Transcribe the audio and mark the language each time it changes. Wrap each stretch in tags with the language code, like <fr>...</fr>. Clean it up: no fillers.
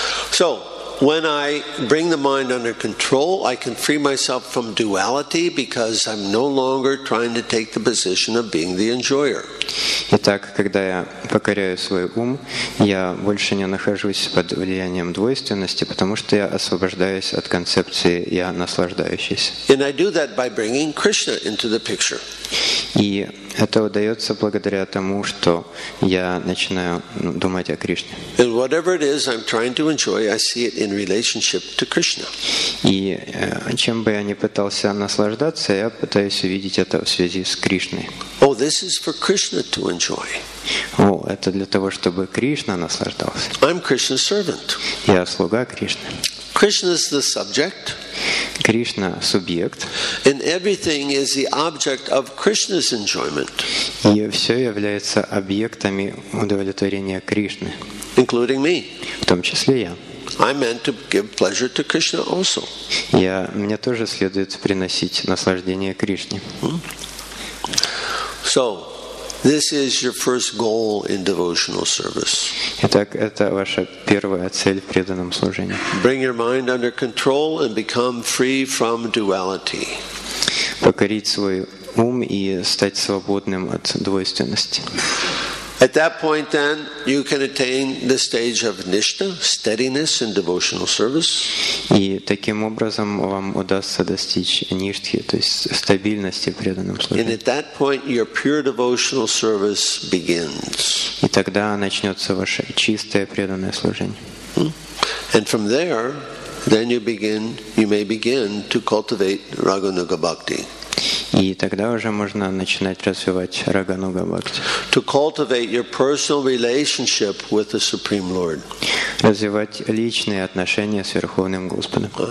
<en>So when I bring the mind under control, I can free myself from duality because I'm no longer trying to take the position of being the enjoyer.</en> <ru>Итак, когда я покоряю свой ум, я больше не нахожусь под влиянием двойственности, потому что я освобождаюсь от концепции «я наслаждающийся».</ru> <en>And I do that by bringing Krishna into the picture.</en> <ru>И это удается благодаря тому, что я начинаю думать о Кришне.</ru> <en>And whatever it is I'm trying to enjoy, I see it in relationship to Krishna.</en> <ru>И чем бы я ни пытался наслаждаться, я пытаюсь увидеть это в связи с Кришной.</ru> <en>Oh, this is for Krishna to enjoy.</en> <ru>О, это для того, чтобы Кришна наслаждался.</ru> <en>I'm Krishna's servant.</en> <ru>Я слуга Кришны.</ru> <en>Krishna is the subject.</en> <ru>Krishna субъект.</ru> <en>And everything is the object of Krishna's enjoyment.</en> <ru>И всё является объектами удовлетворения Кришны.</ru> <en>Including me.</en> <ru>В том числе я.</ru> <en>I meant to give pleasure to Krishna also.</en> <ru>Мне тоже следует приносить наслаждение Кришне.</ru> <en>So, this is your first goal in devotional service.</en> <ru>Итак, это ваша первая цель в преданном служении.</ru> <en>Bring your mind under control and become free from duality.</en> <ru>Покорить свой ум и стать свободным от двойственности.</ru> <en>At that point then you can attain the stage of nishtha, steadiness in devotional service.</en> <ru>И таким образом вам удастся достичь ништхи, то есть стабильности в преданном служении.</ru> <en>And at that point your pure devotional service begins.</en> <ru>И тогда начнётся ваше чистое преданное служение.</ru> <en>And from there then you may begin to cultivate Raghunuga bhakti.</en> <ru>И тогда уже можно начинать развивать Рагануга Бхакти.</ru> <en>To cultivate your personal relationship with the Supreme Lord.</en> <ru>Развивать личные отношения с Верховным Господом.</ru>